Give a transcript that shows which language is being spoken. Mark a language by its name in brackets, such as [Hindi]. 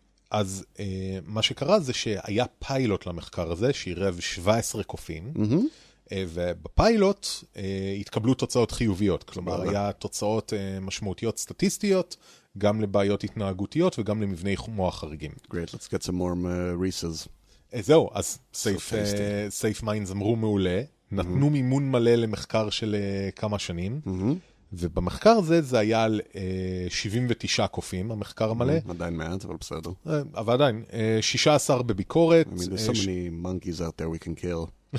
[Hebrew] אז מה שקרה זה שהיה פיילוט למחקר הזה, שעירב 17 קופים, ובפיילוט התקבלו תוצאות חיוביות. כלומר, היה תוצאות משמעותיות סטטיסטיות, גם לבעיות התנהגותיות וגם למבני מוח חריגים. [English] Great, let's get some more Reese's. [Hebrew] זהו, אז Safe Minds אמרו מעולה, נתנו מימון מלא למחקר של כמה שנים, ובמחקר הזה זה היה על 79 קופים, המחקר המלא. עדיין מעט, אבל בסדר. אבל עדיין, 16 בביקורת. [English] I mean, there's so many monkeys out there we can kill.